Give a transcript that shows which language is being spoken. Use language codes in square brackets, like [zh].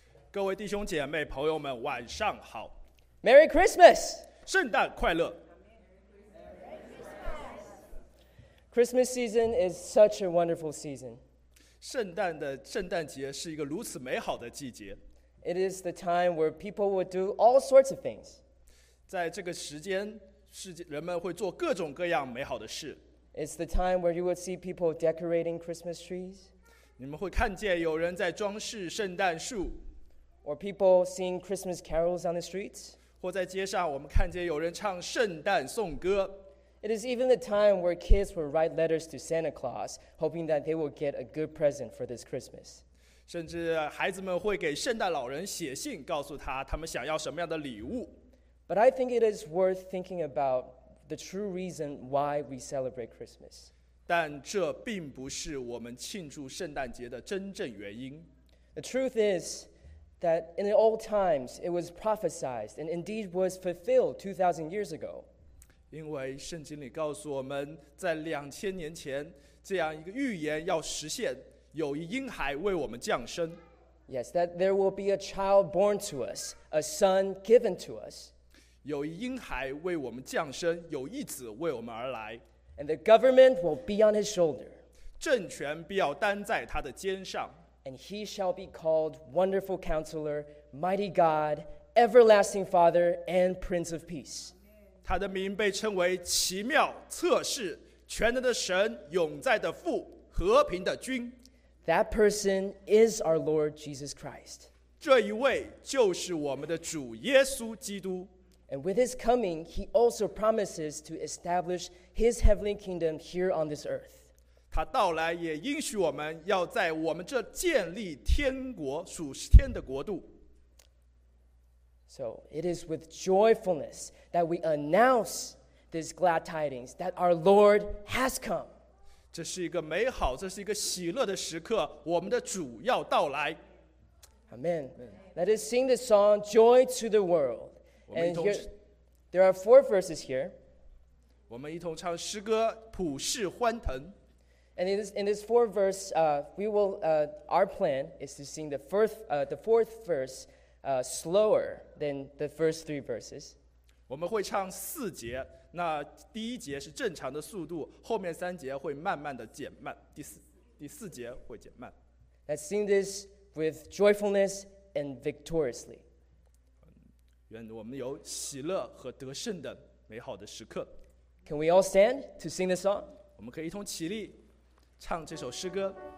[zh] 各位弟兄姐妹朋友们，晚上好。 [en] Merry Christmas! [zh] 圣诞快乐。 [en] Christmas season is such a wonderful season. [zh] 圣诞节是一个如此美好的季节。 [en] It is the time where people would do all sorts of things. [zh] 在这个时间，人们会做各种各样美好的事。 [en] It's the time where you would see people decorating Christmas trees. [zh] 你们会看见有人在装饰圣诞树 [en] or people sing Christmas carols on the streets, [zh] 或在街上我们看见有人唱圣诞颂歌 [en] It is even the time where kids will write letters to Santa Claus, hoping that they will get a good present for this Christmas. [zh] 甚至孩子们会给圣诞老人写信，告诉他们想要什么样的礼物 [en] But I think it is worth thinking about the true reason why we celebrate Christmas. [zh] 但这并不是我们庆祝圣诞节的真正原因。 [en] The truth is that in the old times, it was prophesied and indeed was fulfilled 2,000 years ago. [zh] 因为圣经里告诉我们，在2000年前，这样一个预言要实现，有一婴孩为我们降生。 [en] Yes, that there will be a child born to us, a son given to us. [zh] 有一婴孩为我们降生，有一子为我们而来。 [en] And the government will be on his shoulder. [zh] 政权必要担在他的肩上。 [en] And he shall be called Wonderful Counselor, Mighty God, Everlasting Father, and Prince of Peace. [zh] 他的名被称为奇妙、策士、全能的神、永在的父、和平的君。 [en] That person is our Lord Jesus Christ. [zh] 这一位就是我们的主耶稣基督。 [en] And with his coming, he also promises to establish his heavenly kingdom here on this earth. [zh] 他到来也应许我们要在我们这建立天国属天的国度。 [en] So it is with joyfulness that we announce this glad tidings that our Lord has come. [zh] 这是一个美好，这是一个喜乐的时刻，我们的主要到来。 [en] Amen. Let us sing the song, Joy to the World. And here, there are four verses here. [zh] 我们一同唱诗歌《普世欢腾》。 [en] And in this four verse, our plan is to sing the fourth verse, slower than the first three verses. [zh] 我们会唱四节，那第一节是正常的速度，后面三节会慢慢的减慢，第四节会减慢。 [en] Let's sing this with joyfulness and victoriously. [zh] 愿我们有喜乐和得胜的美好的时刻。 [en] Can we all stand to sing this song? [zh] 我们可以一同起立，唱这首诗歌。